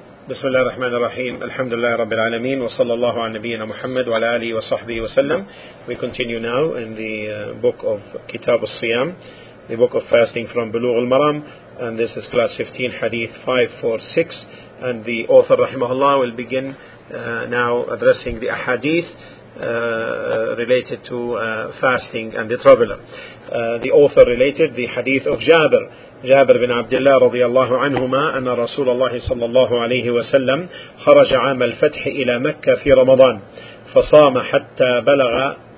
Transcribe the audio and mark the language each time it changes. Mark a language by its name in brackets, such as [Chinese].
[Arabic] بسم الله الرحمن الرحيم الحمد لله رب العالمين وصلى الله على نبينا محمد وعلى آله وصحبه وسلم. [English] We continue now in the book of Kitab al-Siyam, the book of fasting from Bulugh al-Maram, and this is class 15, hadith 546, and the author rahimahullah will begin now addressing the ahadith related to fasting and the traveler. The author related the hadith of Jabir bin Abdullah [Arabic] رضي الله عنهما أن رسول الله صلى الله عليه وسلم خرج عام الفتح إلى مكة في رمضان فصام حتى بلغ